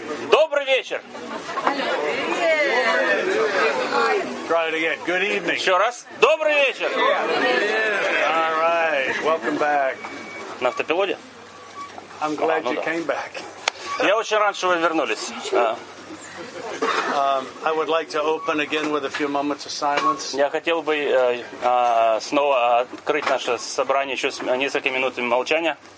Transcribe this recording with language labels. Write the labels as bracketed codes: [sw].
[ru] Добрый вечер. [en] Try it again. Good evening. [ru] Еще раз. Добрый вечер. [en] All right. Welcome back. [ru] На автопилоте? [en] I'm glad you came back. [ru] Я очень рад, что вы вернулись. [en] I would like to open again with a few moments of silence. [ru] Я хотел бы снова открыть наше собрание еще с несколькими минутами молчания.